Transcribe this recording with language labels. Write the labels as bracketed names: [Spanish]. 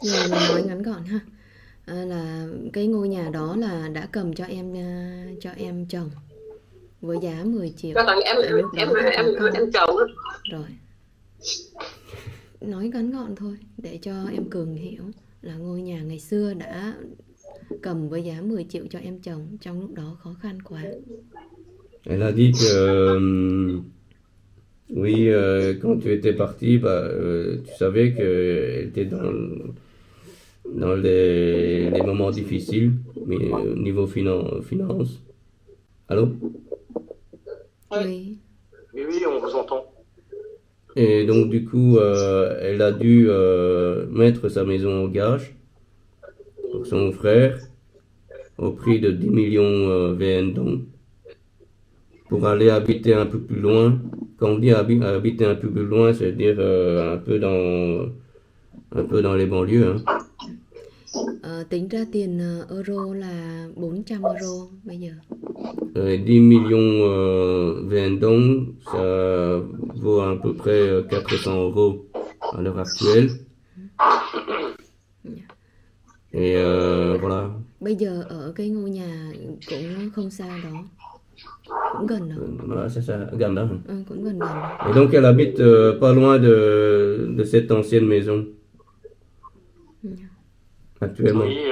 [Vietnamese] Nói ngắn gọn ha, là cái ngôi nhà đó là đã cầm cho em chồng với giá 10 triệu, Thằng tại lúc đó có hai con. em chồng đó. Rồi. Nói ngắn gọn thôi để cho em Cường hiểu là ngôi nhà ngày xưa đã cầm với giá 10 triệu cho em chồng trong lúc đó khó khăn quá. [French] Elle a dit que oui, quand tu étais parti, bah, tu savais qu'elle était dans les moments difficiles, mais au niveau finance. Allô? Oui. Oui, on vous entend. Et donc, du coup, elle a dû mettre sa maison au gage pour son frère au prix de 10 millions VN, donc. Pour aller habiter un peu plus loin. Quand on dit habiter un peu plus loin, c'est-à-dire un peu dans les banlieues. [Vietnamese] Tính ra tiền euro là 400 euro bây giờ. [French] Et 10 millions VND, donc, ça vaut à peu près 400 euros à l'heure actuelle. Et voilà. [Vietnamese] Bây giờ ở cái ngôi nhà cũng không xa đó, cũng gần đó, [French] Voilà, c'est ça, regarde là. [Vietnamese] cũng gần gần đó. [French] Et donc, elle habite pas loin de cette ancienne maison actuellement.